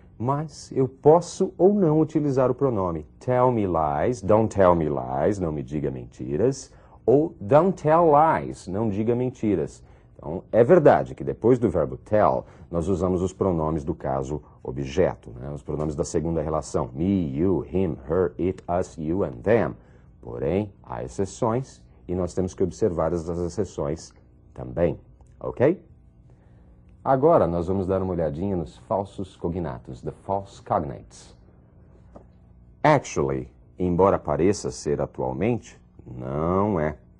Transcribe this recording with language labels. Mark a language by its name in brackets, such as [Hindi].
[Portuguese] Mas eu posso ou não utilizar o pronome. [English] Tell me lies. Don't tell me lies. [Portuguese] Não me diga mentiras. Ou [English] don't tell lies. [Portuguese] Não diga mentiras. Então, é verdade que depois do verbo tell, nós usamos os pronomes do caso objeto, né? Os pronomes da segunda relação. [English] Me, you, him, her, it, us, you and them. [Portuguese] Porém, há exceções e nós temos que observar essas exceções também, ok? Agora, nós vamos dar uma olhadinha nos falsos cognatos, [English] the false cognates. [Portuguese] Actually, embora pareça ser atualmente, não é.